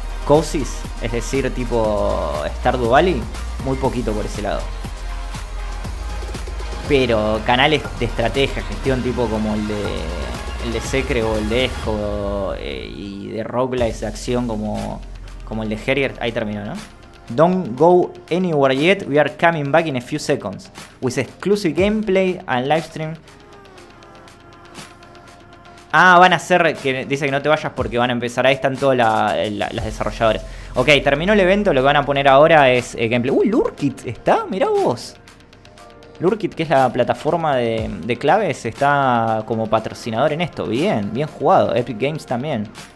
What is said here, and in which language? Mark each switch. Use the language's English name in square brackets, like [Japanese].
[Spanish] Cozies, es decir, tipo Stardew Valley, muy poquito por ese lado. Pero canales de estrategia, gestión, tipo como el de Secre o el de Esco, y de roguelikes de acción como el de Herrier, ahí terminó, ¿no? [English] Don't go anywhere yet, we are coming back in a few seconds. With exclusive gameplay and livestream. [Spanish] Ah, van a hacer que dice que no te vayas porque van a empezar. Ahí están todas las desarrolladoras. Ok, terminó el evento, lo que van a poner ahora es gameplay. Lurkit está, mirá vos. Lurkit, que es la plataforma de claves, está como patrocinador en esto. Bien, bien jugado. Epic Games también.